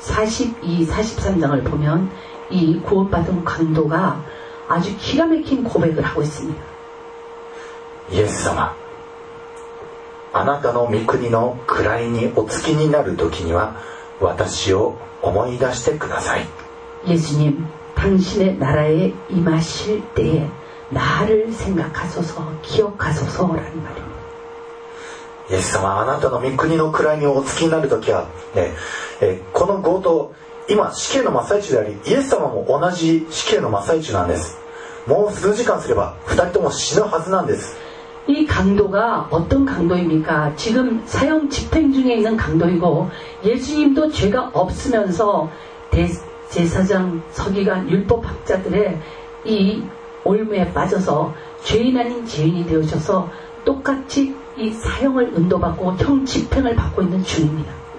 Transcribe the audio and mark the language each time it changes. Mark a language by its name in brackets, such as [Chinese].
[Korean] 42、43장을보면이구원받은강도가아주기가막힌고백을하고있습니다 [Japanese] イエス様あなたの御国の位にお着きになる時には私を思い出してください。 [Korean] イエス님당신의나라에임하실때에나를생각하소서기억하소서라는말입니다。 [Japanese] イエス様あなたの御国の位にお着きになる時は、ね、この強盗今死刑の真っ最中でありイエス様も同じ死刑の真っ最中なんです。もう数時間すれば二人とも死ぬはずなんです。 [Korean] 이강도가어떤강도입니까지금사형집행중에있는강도이고예수님도죄가없으면서제사장서기관율법학자들의이올무에빠져서죄인아닌죄인이되어져서똑같이이사형을은도받고형집행을받고있는중입니다。